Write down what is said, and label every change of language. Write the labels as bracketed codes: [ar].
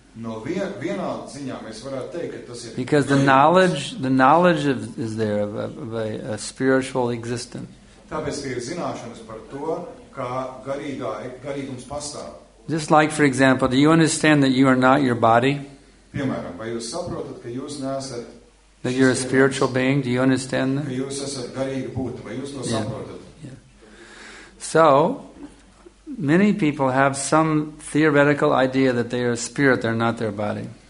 [lv] No vienā ziņā mēs varētu teikt, ka tas ir... [en] Because the knowledge is there of a spiritual existence. [lv] Tāpēc, ka ir zināšanas par to, kā garīgums pastāv. [en] Just like, for example, do you understand that you are not your body? [lv] Piemēram, vai jūs saprotat, ka jūs neesat... [en] That you're a spiritual being, do you understand that? Yeah. So, many people have some theoretical idea that they are a spirit, they're not their body.